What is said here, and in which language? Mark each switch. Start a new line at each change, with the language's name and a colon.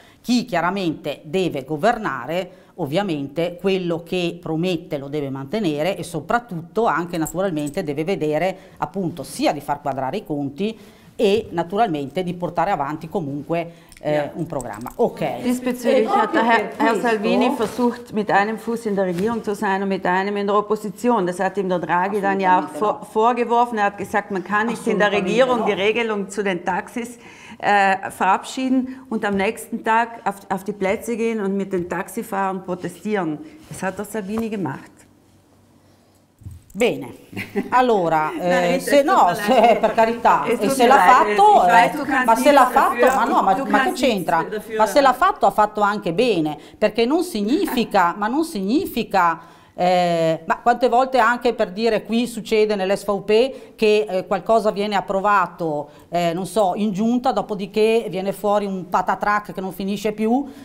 Italian: Chi chiaramente deve governare, ovviamente quello che promette lo deve mantenere e soprattutto anche naturalmente deve vedere appunto sia di far quadrare i conti, e naturalmente di portare avanti comunque un programma. Ok.
German: Diesbezüglich hat Herr Salvini versucht, mit einem Fuß in der Regierung zu sein und mit einem in der Opposition. Das hat ihm der Draghi dann ja auch vorgeworfen. Er hat gesagt, man kann nicht in der Regierung die Regelung zu den Taxis verabschieden und am nächsten Tag auf die Plätze gehen und mit den Taxifahrern protestieren. Das hat der Salvini gemacht.
Italian: Bene, allora, per carità, se l'ha fatto, ha fatto anche bene, perché non significa, ma quante volte anche per dire qui succede nell'SVP che qualcosa viene approvato, non so, in giunta, dopodiché viene fuori un patatrac che non finisce più